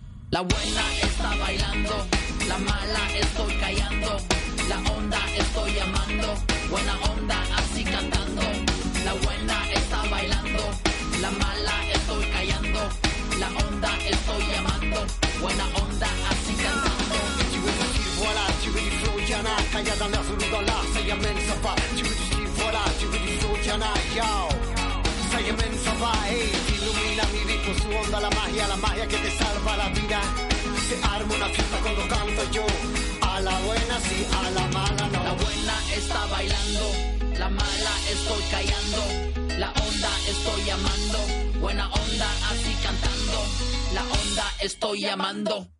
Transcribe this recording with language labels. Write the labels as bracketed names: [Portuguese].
[Spanish] La buena está bailando, la mala estoy callando, la onda estoy llamando, buena onda así cantando. La buena está bailando, la mala estoy callando, la onda estoy llamando, buena onda así cantando. [French] Voilà, tu veux du flow, yana, kaya dans la zone dans la, ça y amène, ça va. Tu veux du style, voilà, tu veux du flow, yana, yao, ça y amène, ça va, hey. [Spanish] Ilumina mi vida con su onda, la magia que te salva la vida. Se arma una fiesta cuando canto yo. A la buena sí, a la mala no. La buena está bailando, la mala estoy callando. La onda estoy llamando, buena onda así cantando. La onda estoy llamando.